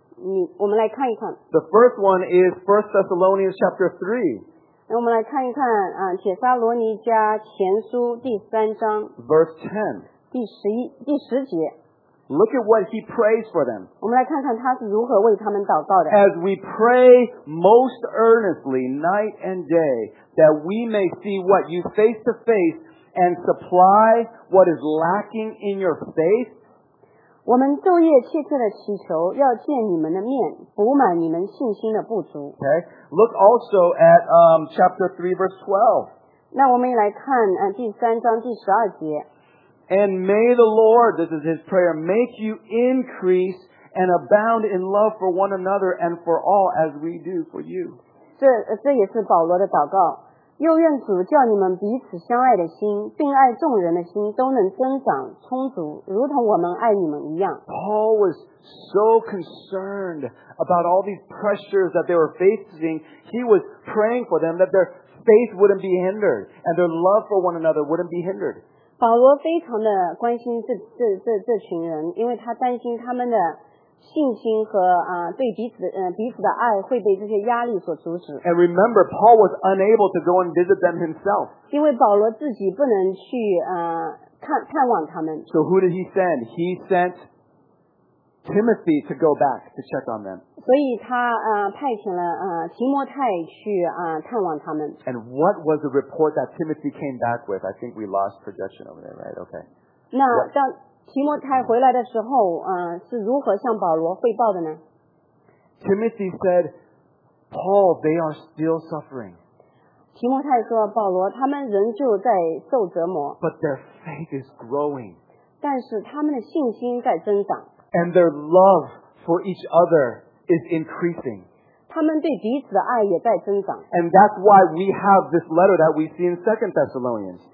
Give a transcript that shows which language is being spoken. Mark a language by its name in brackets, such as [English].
[English] The first one is 1 Thessalonians chapter 3. [Chinese] 我们来看一看帖撒罗尼迦前书第三章 [English] verse 10. [Chinese] 第十节。 [English] Look at what he prays for them. [Chinese] 我们来看看他是如何为他们祷告的。 [English] As we pray most earnestly night and day, that we may see what you face to face and supply what is lacking in your faith. [Chinese] 我们昼夜切切的祈求，要见你们的面，补满你们信心的不足。 [English] Okay. Look also at chapter 3 verse 12. [Chinese] 那我们也来看第三章第十二节。 [English] And may the Lord, this is his prayer, make you increase and abound in love for one another and for all as we do for you. [Chinese] 这也是保罗的祷告。又愿主叫你们彼此相爱的心，并爱众人的心都能增长充足，如同我们爱你们一样。 [English] Paul was so concerned about all these pressures that they were facing. He was praying for them that their faith wouldn't be hindered and their love for one another wouldn't be hindered. [Chinese] 保罗非常的关心 这群人，因为他担心他们的信心和对彼此的爱会被这些压力所阻止。 [English] And remember, Paul was unable to go and visit them himself. [Chinese] 因为保罗自己不能去探望他们。 [English] So who did he send? He sent Timothy to go back to check on them. [Chinese] 所以他派遣了提摩太去探望他们。 [English] And what was the report that Timothy came back with? I think we lost projection over there, right? Okay. [Chinese] 那当提摩太回来的时候是如何向保罗汇报的呢？ [English] Timothy said, Paul, they are still suffering. [Chinese] 提摩太说，保罗他们仍旧在受折磨。 [English] But their faith is growing. [Chinese] 但是他们的信心在增长。 [English] And their love for each other is increasing. [Chinese] 他们对彼此的爱也在增长。 [English] And that's why we have this letter that we see in 2 Thessalonians.